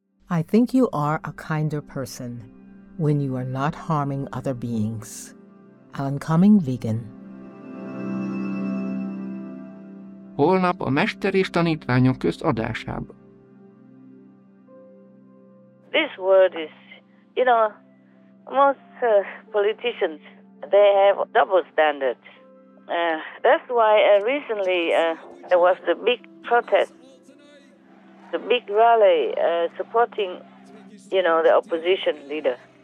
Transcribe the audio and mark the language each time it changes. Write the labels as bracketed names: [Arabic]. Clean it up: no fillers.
[English] I think you are a kinder person when you are not harming other beings. Alan Cumming, vegan. [Hungarian] Holnap a mesteri és tanítványok közt adásában. [English] This word is, you know, most politicians, they have double standards. That's why recently there was the big protest, the big rally supporting, you know, the opposition leader.